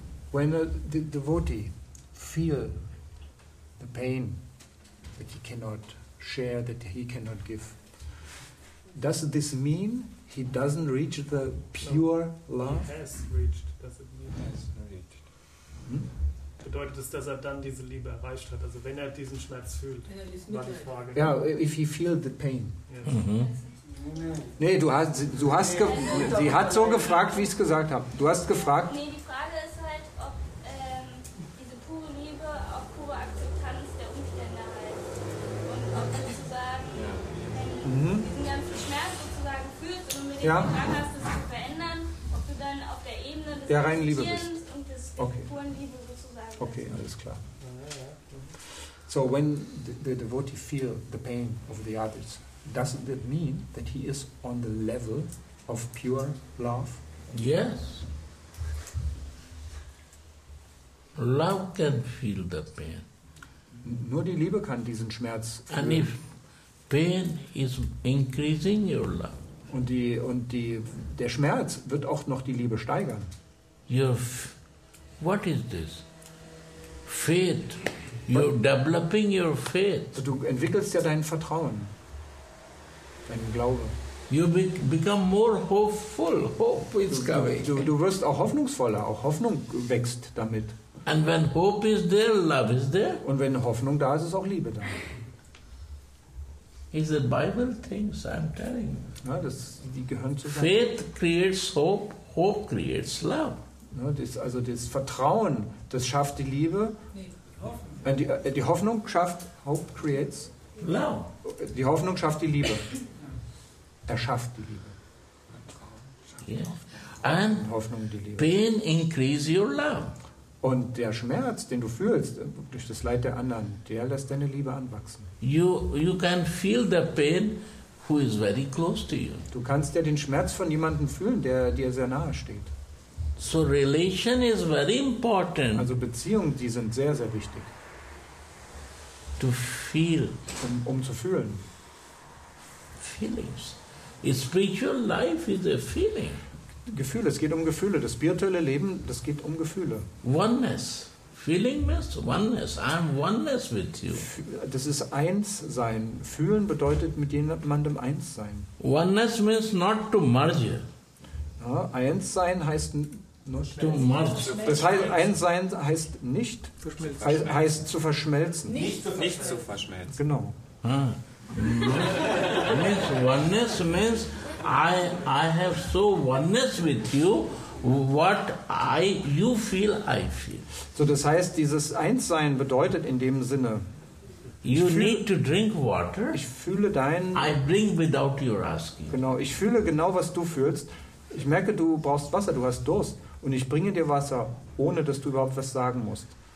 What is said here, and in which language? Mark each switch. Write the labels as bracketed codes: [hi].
[en] When the devotee feel the pain that he cannot share, that he cannot give, does this mean he doesn't reach the pure love? He has reached. Does it mean he has reached? [de] Bedeutet es, dass er dann diese Liebe erreicht hat? Also wenn er diesen Schmerz fühlt, war die Frage. [en] Ja, yeah, if he feel the pain. Mhm. [de] Nee, du hast sie hat so gefragt, wie ich es gesagt habe. Du hast gefragt. Nee, die Frage ist halt, ob diese pure Liebe auch pure Akzeptanz der Umstände halt. Und ob sozusagen, wenn du diesen ganzen Schmerz sozusagen fühlst und mit dem Gedanken hast, das zu verändern, ob du dann auf der Ebene des reinen Liebe bist. Okay. Okay, alles klar. [en] So when the devotee feel the pain of the others, doesn't that mean that he is on the level of pure love? Yes. Love can feel the pain. [de] Nur die Liebe kann diesen Schmerz fühlen. [en] And if pain is increasing your love. [de] Und der Schmerz wird auch noch die Liebe steigern. [en] What is this? Faith. You're developing your faith. [de] Du entwickelst ja dein Vertrauen, deinen Glauben. [en] You become more hopeful. Hope is coming. [de] Du wirst auch hoffnungsvoller. Auch Hoffnung wächst damit. [en] And when hope is there, love is there. [de] Und wenn Hoffnung da ist, ist auch Liebe da. [en] Is the Bible things I'm telling you. [de] Ja, die gehören zusammen. [en] Faith creates hope. Hope creates love. [de] Also das Vertrauen, das schafft die Liebe. Nee, die Hoffnung schafft, [en] hope creates love. [de] Die Hoffnung schafft die Liebe. Er schafft die Liebe. [en] Yeah. And [de] Hoffnung die Liebe. [en] Pain increase your love. [de] Und der Schmerz, den du fühlst durch das Leid der anderen, der lässt deine Liebe anwachsen. [en] You can feel the pain who is very close to you. [de] Du kannst ja den Schmerz von jemandem fühlen, der dir sehr nahe steht. [en] So relation is very important. [de] Also Beziehungen, die sind sehr, sehr wichtig. [en] To feel. [de] Um zu fühlen. [en] Feelings. Spiritual life is a feeling. [de] Gefühle, es geht um Gefühle. Das spirituelle Leben, das geht um Gefühle. [en] Oneness. Feelingness, oneness. I am oneness with you. [de] Das ist eins sein. Fühlen bedeutet mit jemandem eins sein. [en] Oneness means not to merge. [de] Ja, eins sein heißt nicht verschmelzen. Das heißt, eins sein heißt nicht verschmelzen. Heißt zu verschmelzen. Nicht zu verschmelzen. Genau. Ah. [en] Oneness means I have so oneness with you, what you feel, I feel. [de] So, das heißt, dieses eins sein bedeutet in dem Sinne. [en] You need to drink water. [de] Ich fühle dein. [en] I bring without your asking. [de] Genau. Ich fühle genau, was du fühlst. Ich merke, du brauchst Wasser, du hast Durst. Und ich bringe dir Wasser, ohne dass du überhaupt was sagen musst.